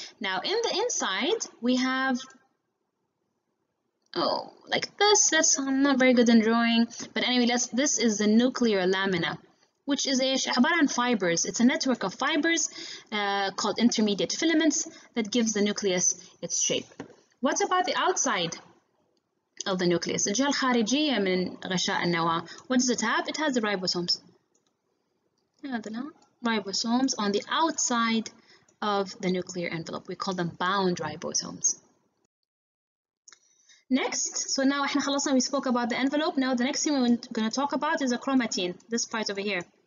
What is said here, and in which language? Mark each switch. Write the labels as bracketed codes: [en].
[en] Now in the inside, we have... Oh, like this, that's, I'm not very good in drawing. But anyway, this is the nuclear lamina, which is a [ar] عبارة عن [en] fibers. It's a network of fibers called intermediate filaments that gives the nucleus its shape. What about the outside of the nucleus? [ar] الجهة الخارجية من غشاء النواة. [en] What does it have? It has the ribosomes. Ribosomes on the outside of the nuclear envelope. We call them bound ribosomes. Next, so now we spoke about the envelope. Now the next thing we're going to talk about is a chromatin, this part over here.